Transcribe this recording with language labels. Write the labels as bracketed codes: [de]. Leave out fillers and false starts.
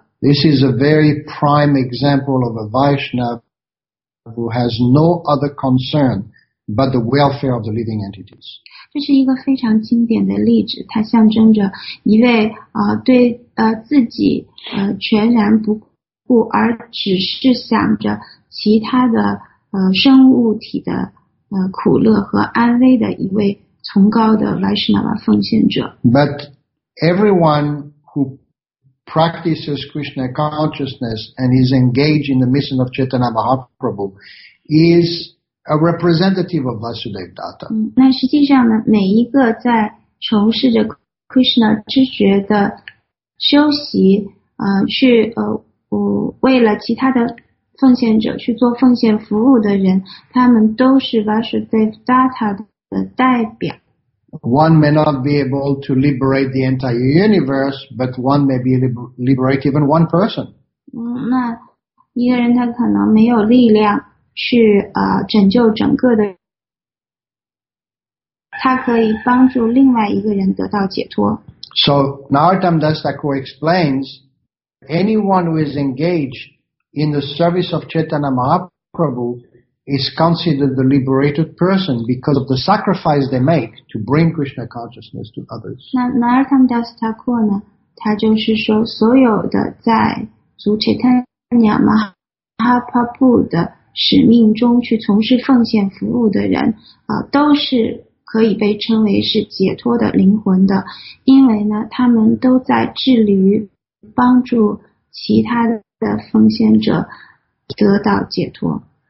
[en] This is a very prime example of a Vaishnava who has no other concern but the welfare of the living entities. [zh] 这是一个非常经典的例子，它象征着一位对自己全然不顾，而只是想着其他的生物体的苦乐和安危的一位崇高的 Vaishnava 奉献者。 [en] But everyone who practices Krishna consciousness and is engaged in the mission of Chaitanya Mahaprabhu is. A representative of Vasudev Datta. [zh] 那实际上呢，每一个在从事着 Krishna 知觉的休息，去为了其他的奉献者去做奉献服务的人，他们都是 Vasudev Datta 的代表。 [en] One may not be able to liberate the entire universe, but one may be liberate even one person. [zh] 那一个人他可能没有力量去拯救整个的，他可以帮助另外一个人得到解脱。 [en] So Narottam Das Thakur explains, anyone who is engaged in the service of Chaitanya Mahaprabhu is considered the liberated person because of the sacrifice they make to bring Krishna consciousness to others. [zh] 那 Narottam Das Thakur 呢，他就是说，所有的在主 Chaitanya Mahaprabhu 的使命中去从事奉献服务的人，都是可以被称为是解脱的灵魂的，因为呢，他们都在致力于帮助其他的奉献者得到解脱。